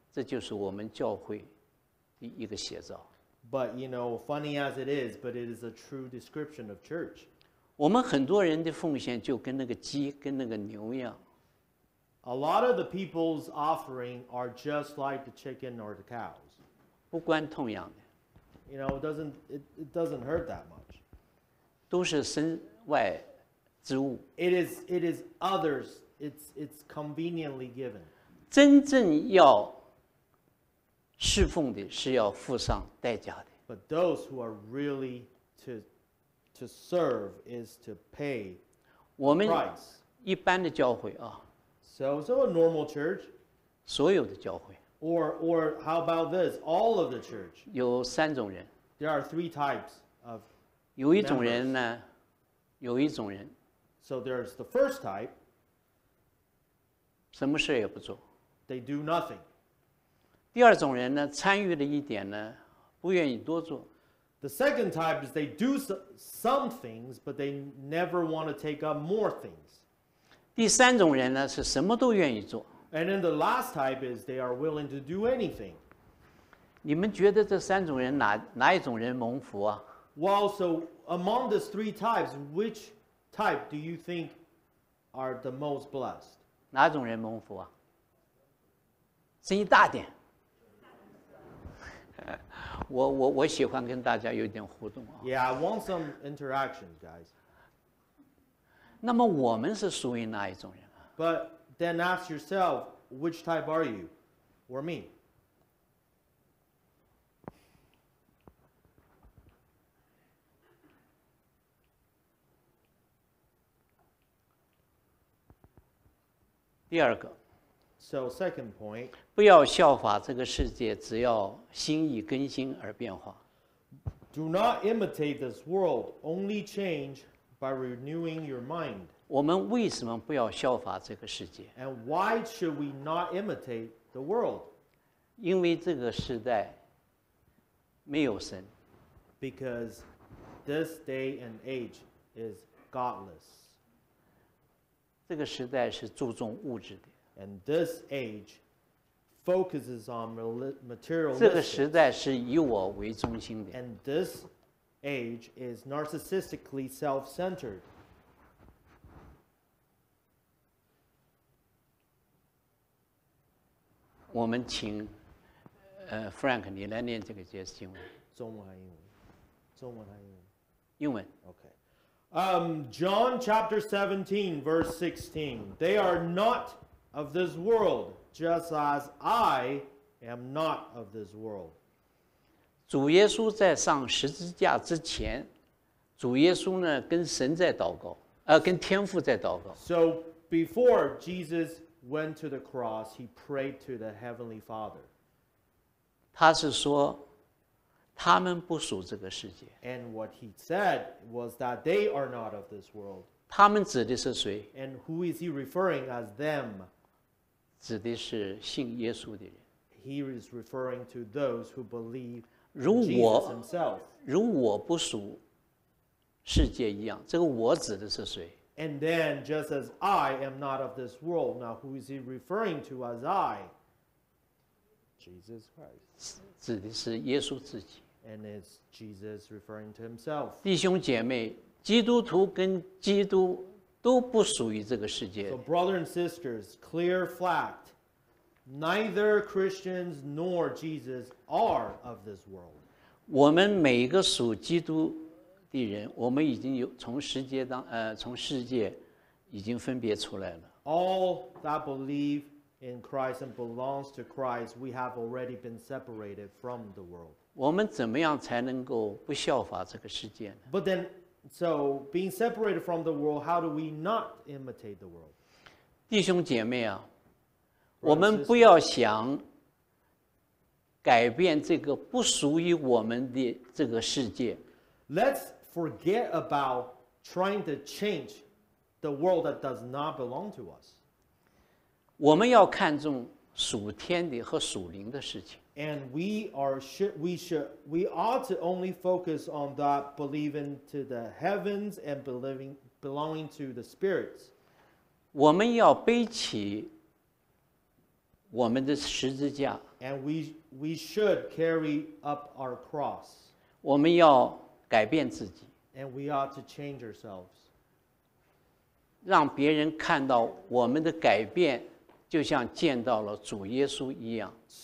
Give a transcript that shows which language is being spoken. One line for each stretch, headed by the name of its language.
Chinese: 实际上，这就是我们教会的一个写照。
English: But, you know, funny as it is, but it is a true description of church.
Chinese: 我们很多人的奉献就跟那个鸡、跟那个牛一样。
English: A lot of the people's offering are just like the chicken or the cows.
Chinese: 不关痛痒的。
English: You know, it doesn't hurt that much.
Chinese: 都是身外之物。
English: It is others. It's conveniently given.
Chinese: 真正要侍奉的是要付上代价的。
English: But those who are really to serve is to pay the price.
Chinese: 一般的教会啊。
English: So a normal church.
Chinese: 所有的教会。
English: Or how about this? All of the church.
Chinese: 有三种人。
English: There are three types of members.
Chinese: 有一种人呢，有一种人。
English: So there's the first type.
Chinese: 什么事也不做。
English: They do nothing.
Chinese: 第二种人呢，参与了一点呢，不愿意多做。
English: The second type is they do some things, but they never want to take up more things.
Chinese: 第三种人呢，是什么都愿意做。
English: And then the last type is they are willing to do anything.
Chinese: 你们觉得这三种人哪一种人蒙福啊？
English: Well, so among these three types, which type do you think are the most blessed?
Chinese: 哪种人蒙福啊？声音大点。我喜欢跟大家有点互动啊。
English: Yeah, I want some interaction, guys.
Chinese: 那么我们是属于哪一种人啊？
English: But then ask yourself, which type are you, or me?
Chinese: 第二个
English: ，So second point，
Chinese: 不要效法这个世界，只要心意更新而变化。
English: Do not imitate this world, only change by renewing your mind.
Chinese: 我们为什么不要效法这个世界
English: ？And why should we not imitate the world?
Chinese: 因为这个时代没有神。
English: Because this day and age is godless.
Chinese: 这个时代是注重物质的。
English: And this age focuses on material.
Chinese: 这个时代是以我为中心的。
English: And this age is narcissistically self-centered.
Chinese: 我们请Frank， 你来念这个节经文。中文还英文？中文还英文？英文。
English: OK。 John chapter 17, verse 16. They are not of this world, just as I am not of this world.
Chinese: 主耶稣在上十字架之前，主耶稣呢跟神在祷告，跟天父在祷告。
English: So before Jesus went to the cross, he prayed to the Heavenly Father.
Chinese: 他是说他们不属这个世界。
English: And what he said was that they are not of this world.
Chinese: 他们指的是谁？
English: And who is he referring as them?
Chinese: 指的是信耶稣的人。
English: He is referring to those who believe Jesus himself.
Chinese: 如我不属世界一样，这个我指的是谁？
English: And then just as I am not of this world, now who is he referring to as I? Jesus Christ.
Chinese: 指的是耶稣自己。
English: And it's Jesus referring to himself.
Chinese: 弟兄姐妹，基督徒跟基督都不属于这个世界。
English: So brother and sisters, clear fact, neither Christians nor Jesus are of this world.
Chinese: 我们每一个属基督的人，我们已经有从世界已经分别出来了。
English: All that believe. In Christ and belongs to Christ, we have already been separated from the world.
Chinese: 我们怎么样才能够不效法这个世界呢？
English: But then, so being separated from the world, how do we not imitate the world?
Chinese: 弟兄姐妹啊，我们不要想改变这个不属于我们的这个世界。
English: Let's forget about trying to change the world that does not belong to us.
Chinese: 我们要看重属天的和属灵的事情。
English: And we ought to only focus on that believing to the heavens and belonging to the spirits.
Chinese: 我们要背起我们的十字架。
English: And we should carry up our cross.
Chinese: 我们要改变自己。
English: And we ought to change ourselves.
Chinese: 让别人看到我们的改变。就像见到了主耶稣一样。